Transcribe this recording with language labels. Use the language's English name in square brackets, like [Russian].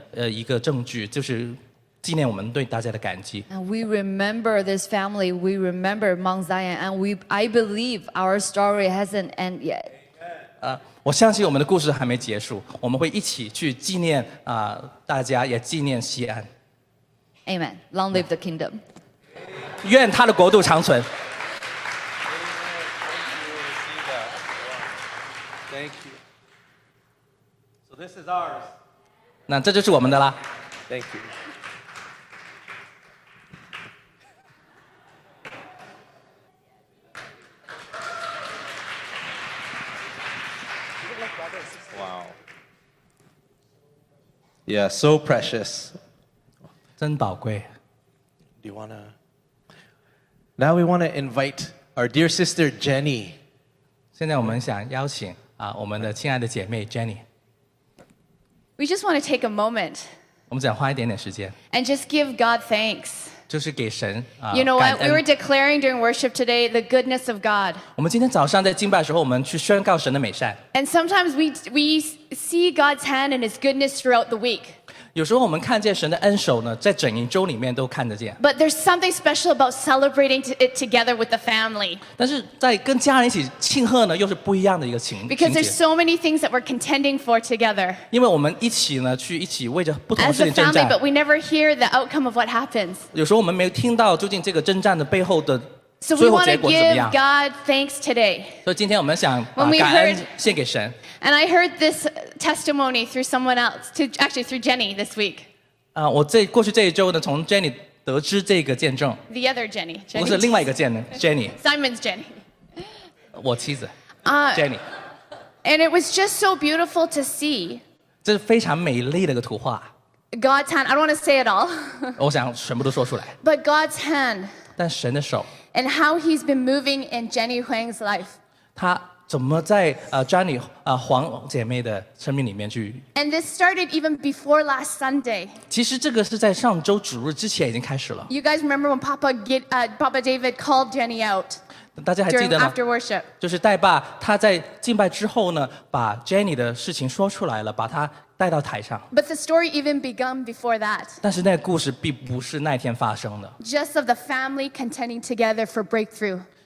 [Chinese] 这个礼物既是我个人给大家礼物，也是万国祷告殿当中我们华语的团队，还有整个万国祷告殿我们这三者所给大家的一个纪念的一个证据，就是。纪念我们对大家的感激。 [English] And we remember this family, we remember Mount Zion, and I believe our story hasn't ended yet. [Chinese] 我相信我们的故事还没结束，我们会一起去纪念大家，也纪念西安。 [English] Amen. Long live the kingdom. [Chinese] 愿他的国度长存。 [English] Thank you. So this is ours. [Chinese] 那这就是我们的啦。 [English] Thank you. Yeah, so precious. [Chinese] 真宝贵. [English] Do you wanna? Now we wanna invite our dear sister Jenny. [Chinese] 现在我们想邀请 我们的亲爱的姐妹 Jenny. [English] We just wanna take a moment. [Chinese] 我们想花一点点时间. [English] And just give God thanks. [Chinese] 就是给神, [English] you know what? [Chinese] 感恩. [English] We were declaring during worship today the goodness of God. [Chinese] 我们今天早上在敬拜的时候，我们去宣告神的美善. [English] And sometimes we see God's hand and His goodness throughout the week. [Chinese] 有时候我们看见神的恩手呢，在整一周里面都看得见. [English] But there's something special about celebrating it together with the family. [Chinese] 但是在跟家人一起庆贺呢，又是不一样的一个情节. [English] Because there's so many things that we're contending for together. [Chinese] 因为我们一起呢，去一起为着不同事情征战. [English] As a family, but we never hear the outcome of what happens. [Chinese] 有时候我们没有听到究竟这个征战的背后的。 [English] So we want to give God thanks today. [Chinese] 所以今天我们想, 感恩献给神。 [English] And I heard this testimony through someone else, actually through Jenny this week. [Chinese] 我这过去这一周呢，从 Jenny 得知这个见证, [English] the other Jenny. Jenny. [Chinese] 不是另外一个见证, Jenny. [English] Simon's Jenny. [Chinese] 我妻子, Jenny. [English] And it was just so beautiful to see. [Chinese] 这是非常美丽的一个图画。 [English] God's hand, I don't want to say it all. [Chinese] 我想全部都说出来。 [English] But God's hand. [Chinese] 但神的手, [English] and how he's been moving in Jenny Huang's life. [Chinese] 他怎么在, Johnny, 黄姐妹的生命里面去, [English] and this started even before last Sunday. [Chinese] 其实这个是在上周主日之前已经开始了。 [English] You guys remember when Papa David called Jenny out? [Chinese] 大家还记得吗? [English] After worship. [Chinese] 就是代爸他在敬拜之后呢, 把Jenny的事情说出来了, 把他 [English] But the story even began before that. [Chinese] 但是那故事并不是那天发生的。 [English] Just of the family contending together for breakthrough.